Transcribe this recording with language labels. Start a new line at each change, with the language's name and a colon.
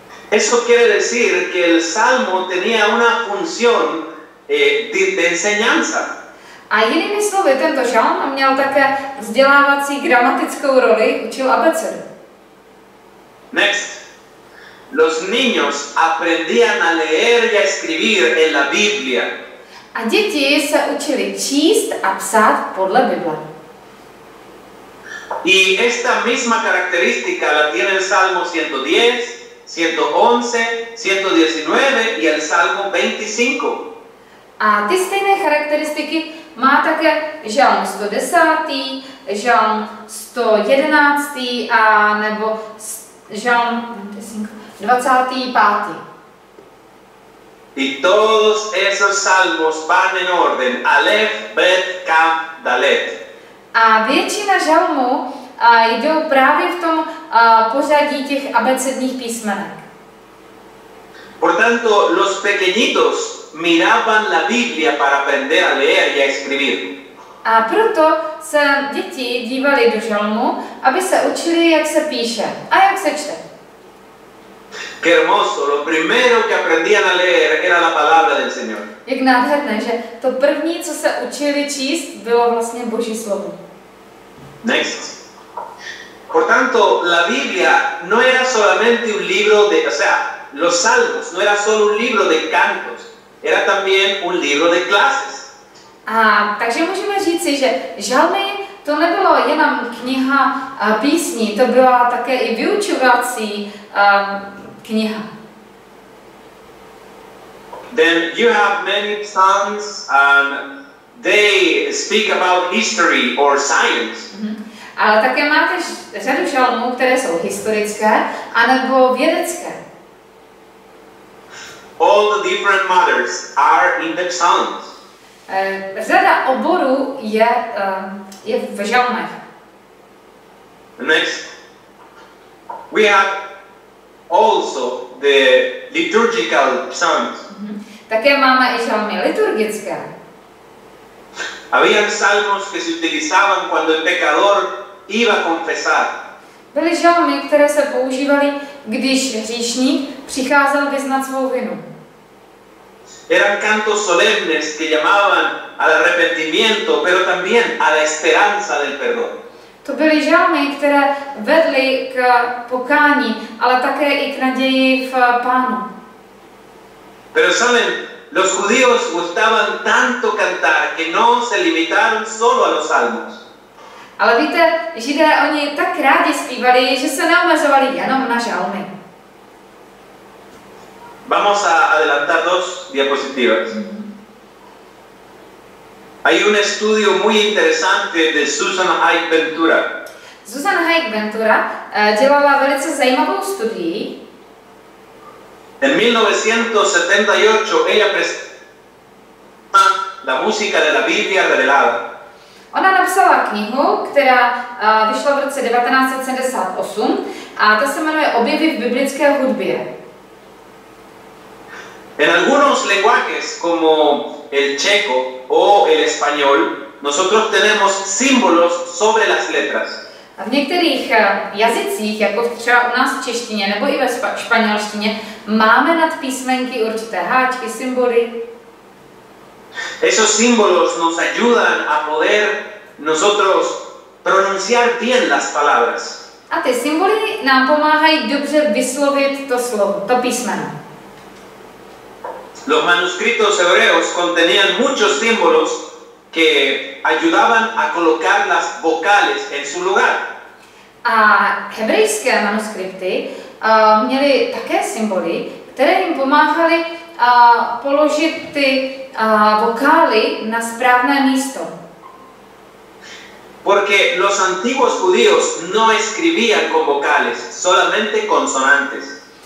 Spanish: Eso quiere decir que el salmo tenía una función de enseñanza.
Czech: A jinými slovy, tento žalm měl také vzdělávací gramatickou roli, učil abecedu.
English: Next.
Spanish: Los niños aprendían a leer y a escribir en la Biblia.
Czech: A děti se učili číst a psát podle Bible.
Spanish: Y esta misma característica la tiene el Salmo 110, 111, 119 y el Salmo 25.
Czech: A ty stejné charakteristiky má také žalm 110, žalm 111 a nebo žalm 25.
Spanish: Y todos esos salmos van en orden Aleph, Bet, Kaf, Dalet.
Czech: A většina žalmů jdou právě v tom pořadí těch abecedních písmenek.
Spanish: Por tanto, los pequeñitos miraban la Biblia para aprender a leer y a escribir.
Czech: A proto se děti dívali do žalmu, aby se učili, jak se píše a jak se čte.
Spanish: Qué hermoso, lo primero que aprendían a leer era la palabra del Señor.
Czech: Jak nádherné, že to první, co se učili číst, bylo vlastně Boží slovo.
English: Next.
Spanish: Por tanto, la Biblia no era solamente un libro de, o sea, los salmos no era solo un libro de cantos. Era también un libro de clases.
Czech: A takže můžeme říci, že žalmy to nebylo jenom kniha písní, to byla také i vyučovací kniha.
English: Then you have many psalms and they speak about history or science. Mm-hmm.
Czech: Ale také máte řadu žalmů, které jsou historické anebo vědecké.
English: All the different matters are in the psalms.
Czech: Řada oborů je je v žalmech.
English: Next, we have also the liturgical psalms.
Czech: Také máme i žalmy liturgické.
Spanish: Había salmos que se utilizaban cuando el pecador iba a confesar.
Czech: Byly žalmy, které se používaly, když hříšník přicházel vyznat svou vinu.
Spanish: Eran cantos solemnes que llamaban al arrepentimiento, pero también a la esperanza del perdón.
Czech: To byly žalmy, které vedly k pokání, ale také i k naději v Pánu.
Spanish: Pero saben, los judíos gustaban tanto cantar que no se limitaron solo a los salmos.
Czech: Ale víte, Židé, oni tak rádi zpívali, že se neomezovali jenom na žalmy.
Spanish: Vamos a adelantar dos diapositivas. Hay un estudio muy interesante de Susan Hike Ventura.
Czech: Susan Hike Ventura dělala velice zajímavou studii.
Spanish: En 1978 ella presentó la música de la Biblia revelada.
Czech: Ona napsala knihu, která vyšla v roce 1978 a ta se jmenuje Objevy v biblické hudbě.
Spanish: En algunos lenguajes, como el checo o el español, nosotros tenemos símbolos sobre las letras.
Czech: A v některých jazycích, jako třeba u nás v češtině nebo i ve španělštině, máme nad písmenky určité háčky, symboly.
Spanish: Esos símbolos nos ayudan a poder nosotros pronunciar bien las palabras.
Czech: A ty symboly nám pomáhají dobře vyslovit to slovo, to písmeno.
Spanish: Los manuscritos hebreos contenían muchos símbolos que ayudaban a colocar las vocales en su lugar.
Czech: A hebrejské manuskripty měly také symboly, které jim pomáhaly položit ty vokály na správné místo.
Spanish: Porque los antiguos judíos no escribían con vocales, solamente consonantes.